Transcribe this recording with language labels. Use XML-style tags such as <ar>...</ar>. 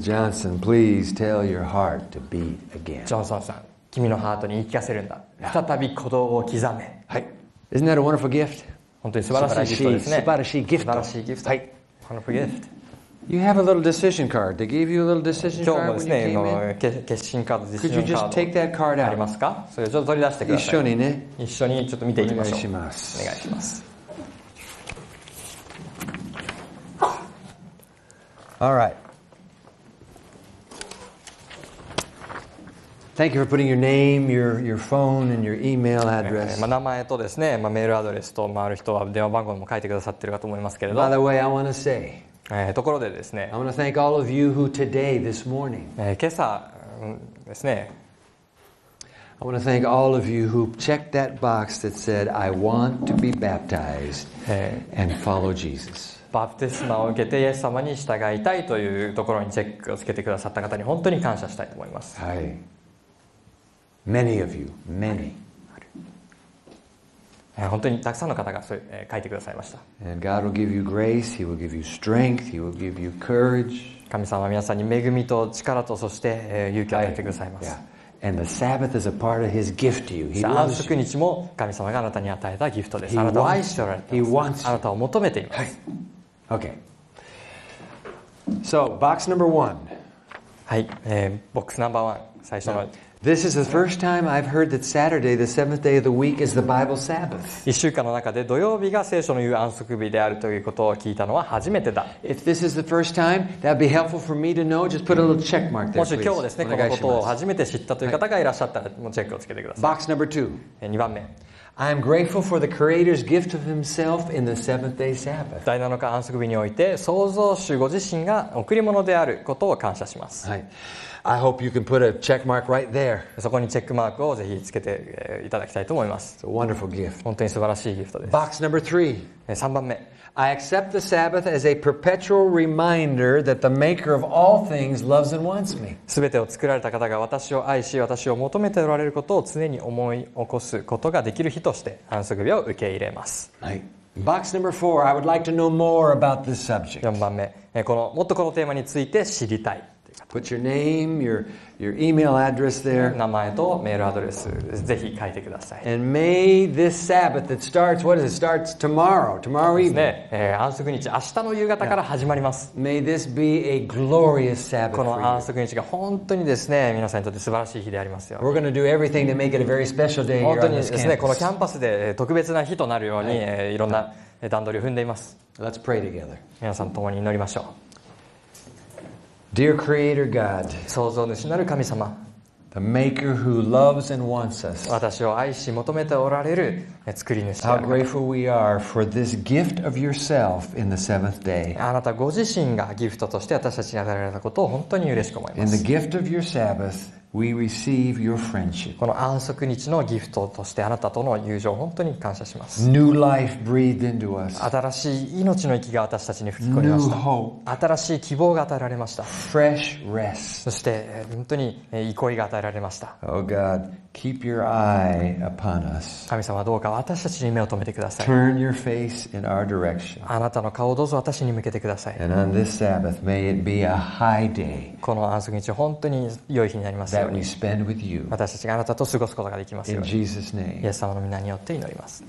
<en>Johnson, please tell your heart to beat again.</en> <ja>ジョンソンさん、君のハートに言い聞かせるんだ。再び鼓動を刻め。はい。</ja> <en>Isn't that a wonderful gift?</en> <ja>本当に素晴らしいギフトですね。素晴らしいギフト。素晴らしいギフト。はい。</ja> <en>Wonderful gift. You have a little decision card. They gave you a little decision card.</en> <ja>今日もですね、決心カード、ディシジョンカード。</ja> <en>Could you just take that card out?</en> <ja>ありますか？それをちょっと取り出してください。一緒にね。一緒にちょっと見ていきましょう。お願いします。お願いします。</ja> <en>All right. Thank you for putting your name, your phone, and your email address.</en> <ja>名前とですね、メールアドレスと、ある人は電話番号も書いてくださってるかと思いますけれど。</ja> <en>By the way, I want to say.</en> <ja>ところでですね。</ja> <en>I want to thank all of you who today, this morning.</en> <ja>今朝ですね。</ja> <en>I want to thank all of you who checked that box that said, I want to be baptized and follow Jesus.</en> <ja>バプテスマを受けてイエス様に従いたいというところにチェックをつけてくださった方に本当に感謝したいと思います。</ja> <en>はい。Many of you, many.</en> <ja>本当にたくさんの方がそう書いてくださいました。</ja> <en>And God will give you grace, He will give you strength, He will give you courage.</en> <ja>神様は皆さんに恵みと力とそして勇気を与えてくださいます。はい。</ja> <en>And the Sabbath is a part of His gift to you. He loves you.</en> <ja>安息日も神様があなたに与えたギフトです。あなたを愛しておられています。</ja> <en>He wants you.</en> <ja>あなたを求めています。</ja> <en>はい。Okay. So, box number one.</en> <ja>はい。ボックスナンバーワン。最初の。</ja> <en>This is the first time I've heard that Saturday, the seventh day of the week, is the Bible Sabbath.</en> <ja>一週間の中で土曜日が聖書の言う安息日であるということを聞いたのは初めてだ。</ja> <en>If this is the first time, that'd be helpful for me to know. Just put a little check mark there, please.</en> <ja>もし今日ですね、このことを初めて知ったという方がいらっしゃったら、もうチェックをつけてください。</ja> <en>Box number two.</en> <ja>二番目。</ja> <en>I am grateful for the Creator's gift of Himself in the seventh day Sabbath.</en> <ja>第7日安息日において創造主ご自身が贈り物であることを感謝します。はい。</ja> <en>I hope you can put a check mark right there.</en> <ja>そこにチェックマークをぜひつけていただきたいと思います。</ja> <en>It's a wonderful gift.</en> <ja>本当に素晴らしいギフトです。</ja> <en>Box number three.</en> <ja>3番目。</ja> <en>I accept the Sabbath as a perpetual reminder that the Maker of all things loves and wants me.</en> <ja>すべてを作られた方が私を愛し、私を求めておられることを常に思い起こすことができる日として、安息日を受け入れます。</ja> <en>はい。Box number four. I would like to know more about this subject.</en> <ja>4番目。この、もっとこのテーマについて知りたい。</ja> <en>Put your name, your email address there.</en> <ja>名前とメールアドレスぜひ書いてください。</ja> <en>And may this Sabbath that starts, what is it? Starts tomorrow, tomorrow evening.</en> <ja>ね、安息日、明日の夕方から始まります。</ja> <en>Yeah. May this be a glorious Sabbath.</en> <ja>この安息日が本当にですね、皆さんにとって素晴らしい日でありますよ。</ja> <en>We're going to do everything to make it a very special day.</en> <ja>本当にですね、このキャンパスで特別な日となるように、いろんな段取りを踏んでいます。</ja> <en>Let's pray together.</en> <ja>皆さん共に祈りましょう。</ja> <en>Dear Creator God,</en> <ja>創造主なる神様、</ja> <en>The Maker who loves and wants us,</en> <ja>私を愛し求めておられる作り主。</ja> <en>How grateful we are for this gift of yourself in the seventh day.</en> <ja>あなたご自身がギフトとして私たちに与えられたことを本当に嬉しく思います。</ja> <en>In the gift of your Sabbath, we receive your friendship.</en> <ja>この安息日のギフトとしてあなたとの友情を本当に感謝します。</ja> <en>New life breathed into us.</en> <ja>新しい命の息が私たちに吹き込みました。</ja> <en>New hope.</en> <ja>新しい希望が与えられました。</ja> <en>Fresh rest.</en> <ja>そして本当に憩いが与えられました。</ja> <en>Oh God, keep your eye upon us.</en> <ja>神様どうか私たちに目を留めてください。</ja> <en>Turn your face in our direction.</en> <ja>あなたの顔をどうぞ私に向けてください。</ja> <en>And on this Sabbath, may it be a high day.</en> <ja>この安息日は本当に良い日になります。</ja> <en>That we spend with you.</en> <ja>私たちがあなたと過ごすことができますように。</ja> <en>In Jesus' name.</en> <ja>イエス様の名によって祈ります。</ja>